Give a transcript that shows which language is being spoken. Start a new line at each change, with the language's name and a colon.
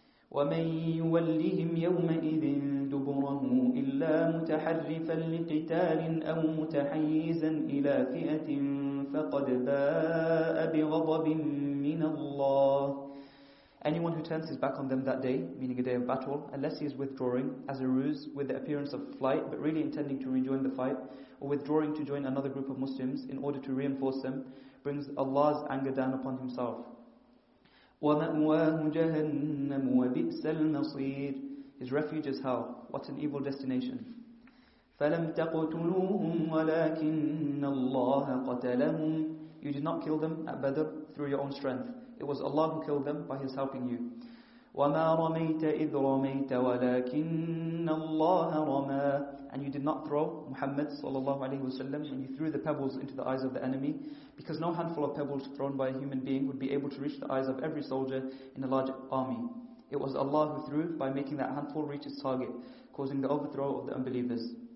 Arabic: وَمَن يُوَلِّهِمْ يَوْمَئِذٍ دُبُرَهُ إِلَّا مُتَحَرِّفًا لِقِتَالٍ أَوْ مُتَحَيِّزًا إِلَى فِئَةٍ فَقَدْ بَاءَ بِغَضَبٍ مِّنَ اللَّهِ.
English: Anyone who turns his back on them that day, meaning a day of battle, unless he is withdrawing as a ruse with the appearance of flight, but really intending to rejoin the fight, or withdrawing to join another group of Muslims in order to reinforce them, brings Allah's anger down upon himself.
Arabic: ومأواه جهنم وبئس المصير.
English: His refuge is hell. What an evil destination.
Arabic: فلم تقتلوهم ولكن الله قتلهم.
English: You did not kill them at Badr through your own strength. It was Allah who killed them by His helping you.
Arabic: وما رميت إذ رميت ولكن الله رمى.
English: And you did not throw Muhammad sallallahu alaihi wasallam when you threw the pebbles into the eyes of the enemy, because no handful of pebbles thrown by a human being would be able to reach the eyes of every soldier in a large army. It was Allah who threw by making that handful reach its target, causing the overthrow of the unbelievers.